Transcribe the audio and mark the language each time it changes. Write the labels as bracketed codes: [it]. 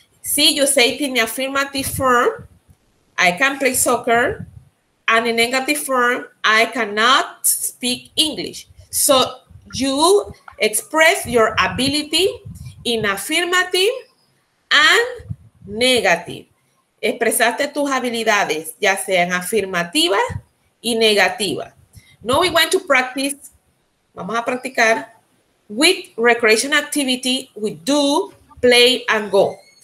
[en] See, you say it in the affirmative form, I can play soccer. And in negative form, I cannot speak English. So you express your ability in affirmative and negative. [es] Expresaste tus habilidades, ya sean afirmativa y negativa. [en] Now we want to practice, [es] vamos a practicar, [en] with recreation activity, we do, play, and go.